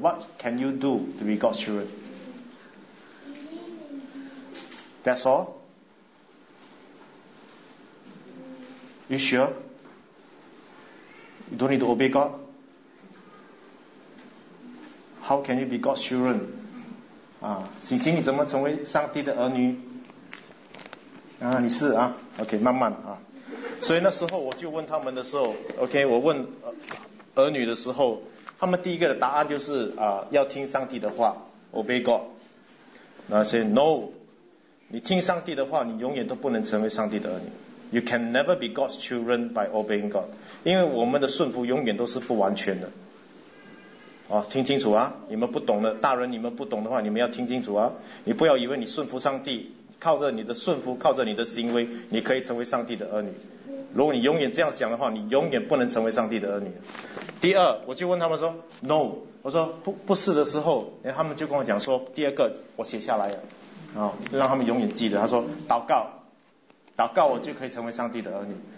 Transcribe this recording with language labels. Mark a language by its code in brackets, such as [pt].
[en] What can you do to be God's children? That's all. You sure? You don't need to obey God. How can you be God's children? [zh] 啊，星星，你怎么成为上帝的儿女？啊，你是啊 ，OK， 慢慢啊。所以那时候我就问他们的时候 ，OK， 我问儿女的时候，他们第一个的答案就是啊，要听上帝的话 ， [en] obey God。 [zh] 那些 No， 你听上帝的话，你永远都不能成为上帝的儿女。 [en] You can never be God's children by obeying God， [zh] 因为我们的顺服永远都是不完全的。哦，听清楚啊，你们不懂的大人，你们不懂的话，你们要听清楚啊，你不要以为你顺服上帝，靠着你的顺服，靠着你的行为，你可以成为上帝的儿女。如果你永远这样想的话，你永远不能成为上帝的儿女。第二，我就问他们说 No， 我说不是的时候，然后他们就跟我讲说，第二个我写下来了，让他们永远记得，他说祷告，祷告我就可以成为上帝的儿女。